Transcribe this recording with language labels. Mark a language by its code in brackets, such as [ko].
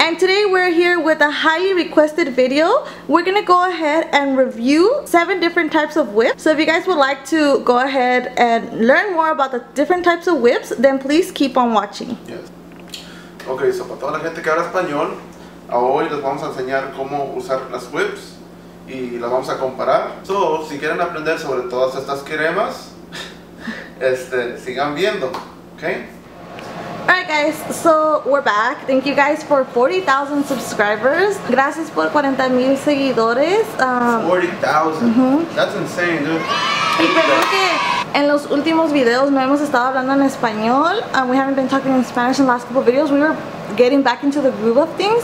[en] And today we're here with a highly requested video. We're gonna go ahead and review 7 different types of whips. So if you guys would like to go ahead and learn more about the different types of whips, then please keep on watching. Yes. Okay, so [es] para toda la gente que habla español, hoy les vamos a enseñar cómo usar las whips y las vamos a comparar. So, si quieren aprender sobre todas estas cremas, sigan viendo. [en] Okay. Alright guys, so we're back. Thank you guys for 40,000 subscribers. [es] Gracias por 40,000 seguidores. [en] 40,000? Mm-hmm. That's insane, dude. [es] Y creo que en los últimos videos no hemos estado hablando en español. [en] We haven't been talking in Spanish in the last couple videos. We were getting back into the groove of things.